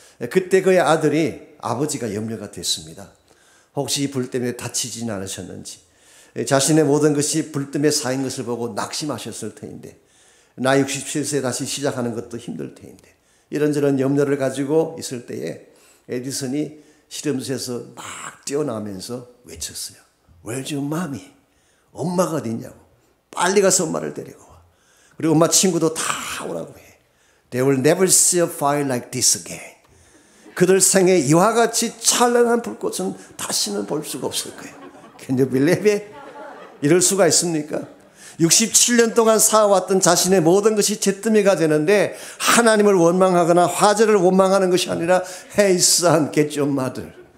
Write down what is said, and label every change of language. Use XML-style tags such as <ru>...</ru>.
<ko>그때 그의 아들이 아버지가 염려가 됐습니다. 혹시 불 때문에 다치진 않으셨는지, 자신의 모든 것이 불 때문에 쌓인 것을 보고 낙심하셨을 텐데, 나 67세 다시 시작하는 것도 힘들 텐데, 이런저런 염려를 가지고 있을 때에 에디슨이 실험실에서 막 뛰어나면서 외쳤어요.</ko> <en>Where's your mommy?</en> <ko>엄마가 어딨냐고. 빨리 가서 엄마를 데리고 와. 그리고 엄마 친구도 다 오라고 해.</ko> <en>They will never see a fire like this again.</en> <ko>그들 생에 이와 같이 찬란한 불꽃은 다시는 볼 수가 없을 거예요.</ko> <en>Can you believe it?</en> <ko>이럴 수가 있습니까? 67년 동안 쌓아왔던 자신의 모든 것이 잿더미가 되는데 하나님을 원망하거나 화재를 원망하는 것이 아니라</ko> <en>Hey son, get your mother.</en>